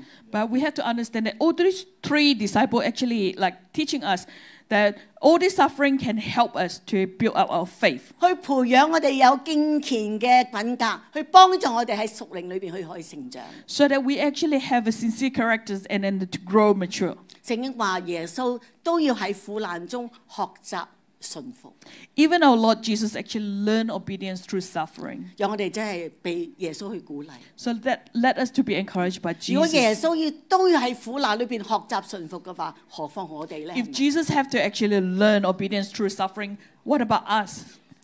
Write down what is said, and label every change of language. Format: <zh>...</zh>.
<en>But we have to understand that all these three disciples actually like teaching us that all this suffering can help us to build up our faith.</en> <yue>去培养我哋有敬虔嘅品格，去帮助我哋喺属灵里边去可以成长。</yue> <en>So that we actually have a sincere character and then to grow mature.</en> <yue>圣经话耶稣都要喺苦难中学习。</yue> <en>Even our Lord Jesus actually learned obedience through suffering. So that led us to be encouraged by Jesus. If Jesus had to actually learn obedience through suffering, what about us?</en>